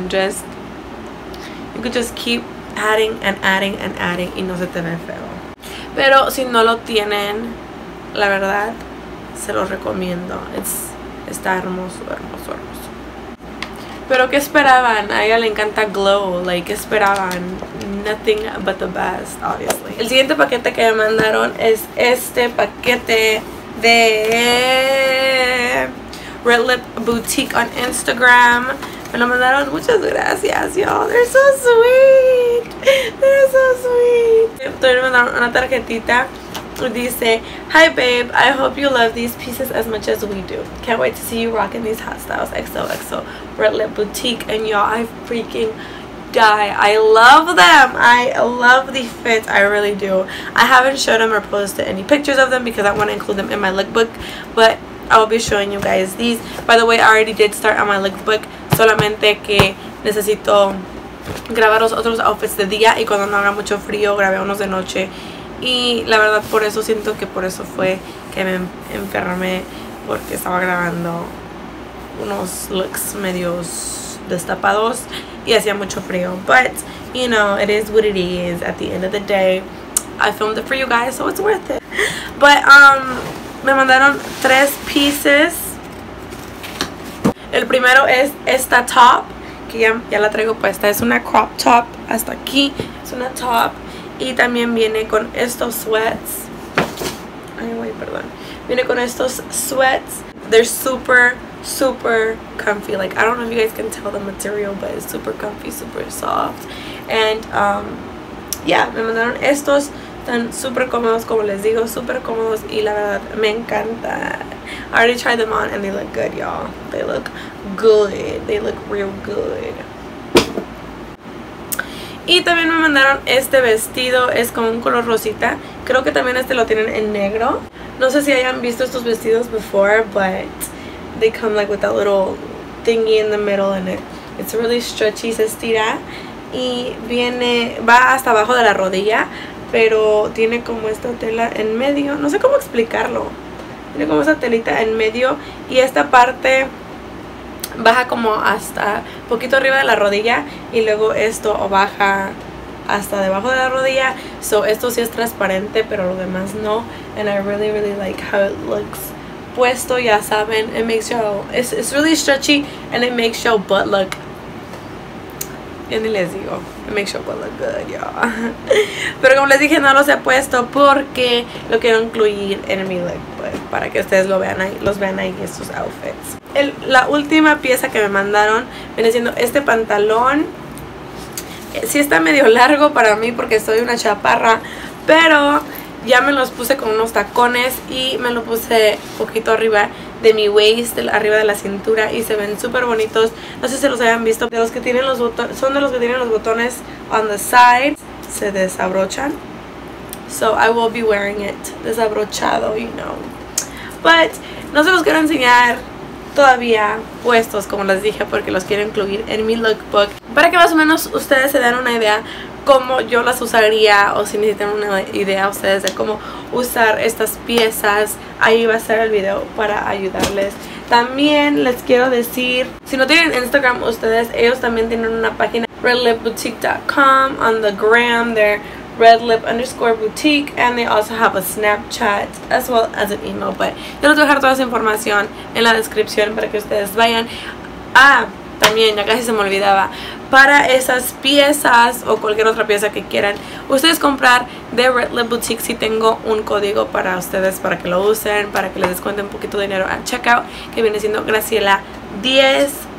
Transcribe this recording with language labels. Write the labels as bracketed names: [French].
[English] And just, you could just keep adding and adding and adding [Spanish] y no se te ve feo. Pero si no lo tienen, la verdad, se los recomiendo. Está hermoso, hermoso, hermoso. Pero ¿qué esperaban? A ella le encanta [English] glow. Like, [Spanish] ¿qué esperaban? [English] Nothing but the best, obviously. [Spanish] El siguiente paquete que me mandaron es este paquete de Red Lip Boutique [English] on Instagram. [Spanish] Me lo mandaron. Muchas gracias, y'all. [English] They're so sweet. They're so sweet. [Spanish] También me mandaron una tarjetita. [English] Dice, hi babe, I hope you love these pieces as much as we do. Can't wait to see you rocking these hot styles. XOXO, Red Lip Boutique. And y'all, I freaking die. I love them. I love the fit. I really do. I haven't shown them or posted any pictures of them because I want to include them in my lookbook. But I will be showing you guys these. By the way, I already did start on my lookbook. [Spanish] Solamente que necesito grabar los otros outfits de día. Y cuando no haga mucho frío, grabé unos de noche. Y la verdad, por eso siento que por eso fue que me enfermé, porque estaba grabando unos looks medios destapados y hacía mucho frío. [English] But, you know, it is what it is. At the end of the day, I filmed it for you guys, so it's worth it. [Spanish] But, me mandaron tres pieces. El primero es esta top, que ya la traigo puesta. Es una crop top hasta aquí. Es una top. Y también viene con estos sweats. Ay, güey, perdón. Viene con estos sweats. [English] They're super, super comfy. Like, I don't know if you guys can tell the material, but it's super comfy, super soft. And, yeah, [Spanish] me mandaron estos. Están super cómodos, como les digo, super cómodos. Y la verdad, me encanta. [English] I already tried them on and they look good, y'all. They look good. They look real good. [Spanish] Y también me mandaron este vestido, es como un color rosita. Creo que también este lo tienen en negro. No sé si hayan visto estos vestidos [English] before, but they come like with that little thingy in the middle and it's really stretchy, [Spanish] se estira. Y viene, va hasta abajo de la rodilla, pero tiene como esta tela en medio. No sé cómo explicarlo. Tiene como esta telita en medio y esta parte baja como hasta poquito arriba de la rodilla y luego esto baja hasta debajo de la rodilla. So esto sí es transparente, pero lo demás no. [English] And I really really like how it looks [Spanish] puesto, ya saben. [English] It makes your, it's really stretchy and it makes your butt look, [Spanish] y ni les digo, [English] it makes your butt look good, y'all. [Spanish] Pero como les dije, no los he puesto porque lo quiero incluir en mi look, pues, para que ustedes lo vean ahí, los vean ahí en sus outfits. La última pieza que me mandaron viene siendo este pantalón. Sí está medio largo para mí porque soy una chaparra, pero ya me los puse con unos tacones y me lo puse poquito arriba de mi waist, arriba de la cintura, y se ven súper bonitos. No sé si se los hayan visto, de los que tienen los botones, son de los que tienen los botones [English] on the side, [Spanish] se desabrochan. [English] So I will be wearing it desabrochado, you know. [Spanish] But no se los quiero enseñar todavía puestos, como les dije, porque los quiero incluir en mi lookbook para que más o menos ustedes se den una idea cómo yo las usaría, o si necesitan una idea ustedes de cómo usar estas piezas. Ahí va a estar el video para ayudarles. También les quiero decir, si no tienen Instagram ustedes, ellos también tienen una página, redlipboutique.com, [English] on the gram, they're red lip underscore boutique, and they also have a Snapchat as well as an email. [Spanish] But yo les voy a dejar toda esa información en la descripción para que ustedes vayan. Ah, también, ya casi se me olvidaba, para esas piezas o cualquier otra pieza que quieran ustedes comprar de Red Lip Boutique, si tengo un código para ustedes para que lo usen, para que les descuente un poquito de dinero al checkout, que viene siendo Graciela10.